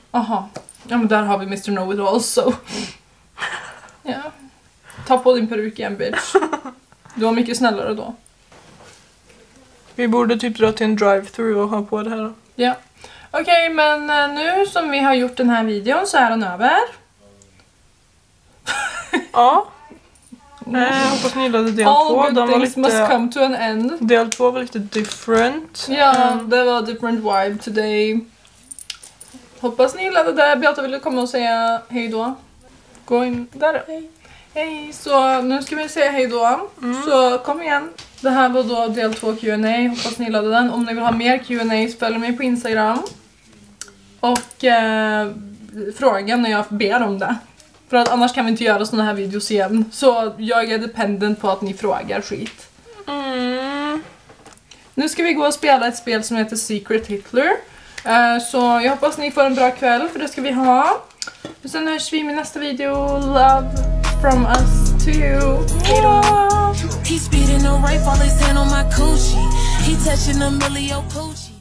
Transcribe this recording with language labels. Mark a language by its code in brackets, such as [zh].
[sv] Aha. Ja, men där har vi Mr. Know-it-all, så. Ja. Ta på din peruk igen, bitch. Du var mycket snällare då. Vi borde typ dra till en drive-thru och ha på det här då. Ja. Okej, okay, men nu som vi har gjort den här videon så är den över. Ja. Hoppas ni gillade del 2. [en] All good things must come to an end. [sv] Del 2 var lite different. Ja, det var [en] different vibe today. [sv] Hoppas ni gillade det. Beata, vill du komma och säga hej då? Gå in där. Hej, så nu ska vi säga hej då. Mm. Så kom igen. Det här var då del 2 Q&A. Hoppas ni gillade den. Om ni vill ha mer Q&A, följ mig på Instagram. Och fråga när jag ber om det. För att annars kan vi inte göra såna här videos igen. Så jag är dependent på att ni frågar skit. Mm. Nu ska vi gå och spela ett spel som heter Secret Hitler. Så jag hoppas ni får en bra kväll, för det ska vi ha. Och sen hörs vi i min nästa video. [en] Love from us to you. [sv] Hejdå! [en] He's beating a rifle, his hand on my coochie. He touching a milli-o-poochie.